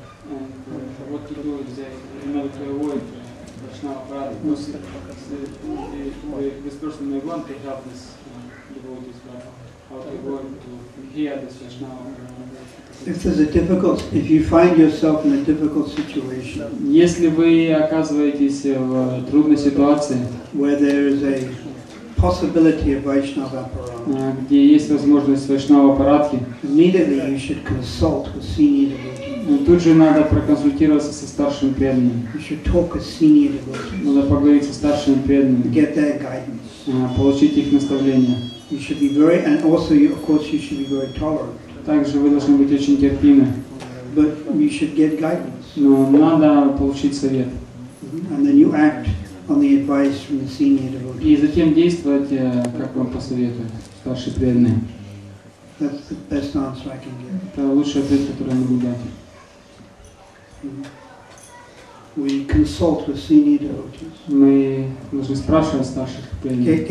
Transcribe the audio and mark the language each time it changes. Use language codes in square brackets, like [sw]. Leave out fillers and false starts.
[en] And what to do if they, in order to avoid Vaishnava Prada, because this person may want to help this devotees, but how to go to hear this Vaishnava Prada. If you find yourself in a difficult situation, [ru] если вы оказываетесь в трудной ситуации, [en] where there is a possibility of Vaishnava Paratha, [ru] где есть возможность Вайшнава Парадхи, [en] immediately you should consult with senior devotees. [ru] Тут же надо проконсультироваться со старшим преданным. [en] You should talk with senior devotees. [ru] Надо поговорить со старшим преданным. [en] Get their guidance. [ru] Получить их наставление. [en] You should be very, and also, you, of course, you should be very tolerant. [ru] Также вы должны быть очень терпимы. [en] But you should get guidance. [ru] Но надо получить совет. [en] And then you act on the advice from the senior devotee. [ru] И затем действовать, как вам посоветуют старшие преданные. [en] That's the best answer I can give. [ru] Это лучший ответ, который я могу дать. [en] We consult with senior devotees. [ru] Мы должны спрашивать старших преданных.